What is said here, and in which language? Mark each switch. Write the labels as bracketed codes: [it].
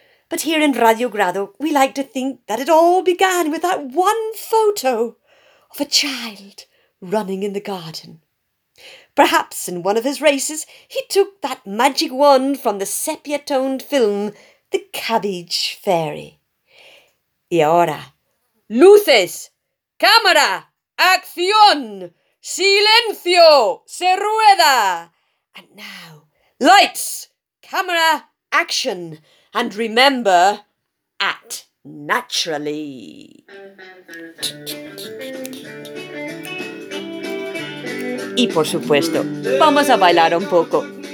[en] But here in Radio Grado, we like to think that it all began with that one photo of a child running in the garden. Perhaps in one of his races, he took that magic wand from the sepia-toned film, The Cabbage Fairy. [es] Y ahora, luces, cámara, acción, silencio, se rueda. [en] And now, lights, camera, action, and remember, act naturally. [es] Y por supuesto, vamos a bailar un poco.